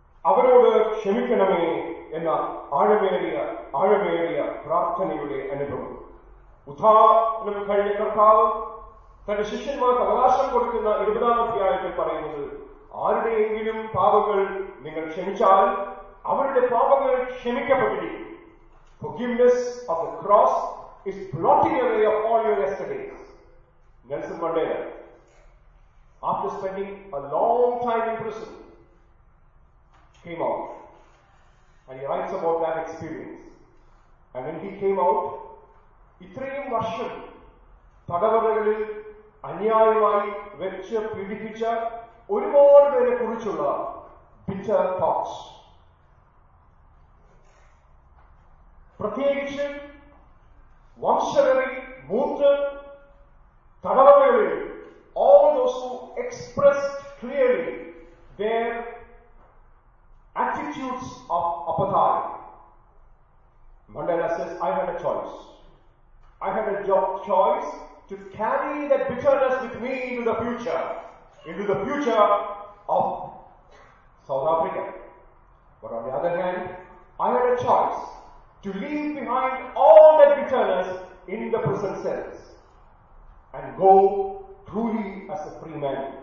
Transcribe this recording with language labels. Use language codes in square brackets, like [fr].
[ml] അവരോട് ക്ഷമിക്കണമേ എന്ന ആഴമേറിയ ആഴമേറിയ പ്രാർത്ഥനയുടെ അനുഭവം. ഉദാഹരണം കഴിഞ്ഞ കർത്താവ് തന്റെ ശിഷ്യന്മാർ അവകാശം കൊടുക്കുന്ന 20-ാം അധ്യായത്തിൽ പറയുന്നത് ആരുടെയെങ്കിലും പാപങ്ങൾ നിങ്ങൾ ക്ഷമിച്ചാൽ അവരുടെ പാപങ്ങൾ ക്ഷമിക്കപ്പെട്ടിരിക്കും. [en] Forgiveness of the cross is blotting away of all your yesterdays. Nelson Mandela, after spending a long time in prison, came out. And he writes about that experience. And when he came out, [ml] ഇത്രയും വർഷം തടവറകളിൽ അന്യായമായി വെച്ച് പീഡിപ്പിച്ച ഒരുപാട് പേരെ കുറിച്ചുള്ള [en] bitter thoughts. [ml] പ്രത്യേകിച്ച് വംശകളിൽ മൂത്ത് തടവറകളിൽ [en] All those who express clearly their attitudes of അപതായ. Mandela says, I had a choice. I had a job choice to carry that bitterness with me into the future of South Africa. But on the other hand, I had a choice to leave behind all that bitterness in the prison cells and go truly as a free man.